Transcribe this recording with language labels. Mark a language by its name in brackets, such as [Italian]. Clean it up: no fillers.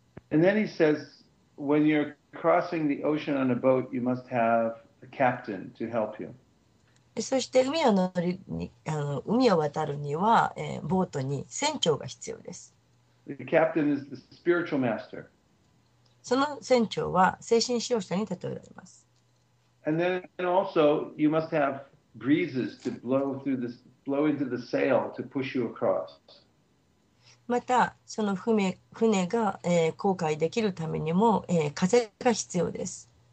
[English] And then he says, when you're crossing the ocean on a boat, you must have a captain to help you. [Japanese] そして海を渡るには、ボートに船長が必要です。 [English] The captain is the spiritual master. [Japanese] その船長は精神指導者に例えられます。 [English] And then also, you must have breezes to blow through this. Blow into the sail to push you across. [Japanese] またその船が、航海できるためにも、風が必要です。